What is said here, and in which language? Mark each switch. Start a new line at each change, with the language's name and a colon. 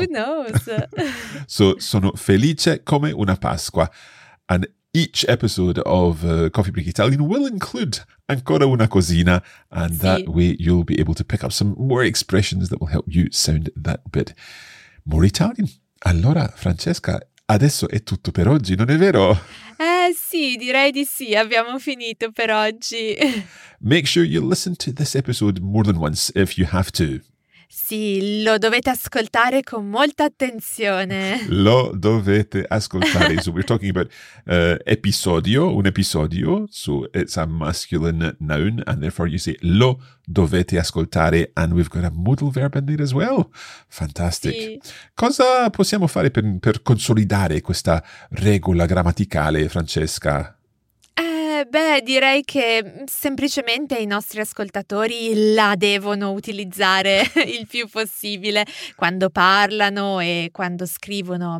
English: Who knows? So,
Italian: sono felice come una Pasqua.
English: And each episode of Coffee Break Italian will include
Italian: ancora una cosina.
English: And sì, that way you'll be able to pick up some more expressions that will help you sound that bit more Italian.
Italian: Allora, Francesca, adesso è tutto per oggi, non è vero? Sì, direi di sì, abbiamo finito per oggi.
English: Make sure you listen to this episode more than once if you have to.
Italian: Sì, lo dovete ascoltare con molta attenzione. Lo dovete ascoltare.
English: So we're talking about
Italian: episodio, un episodio.
English: So it's a masculine noun, and therefore you say
Italian: lo dovete ascoltare,
English: and we've got a modal verb in there as well. Fantastic.
Italian: Sì. Cosa possiamo fare per consolidare questa regola grammaticale, Francesca? Beh, direi che semplicemente i nostri ascoltatori la devono utilizzare il più possibile quando parlano e quando scrivono.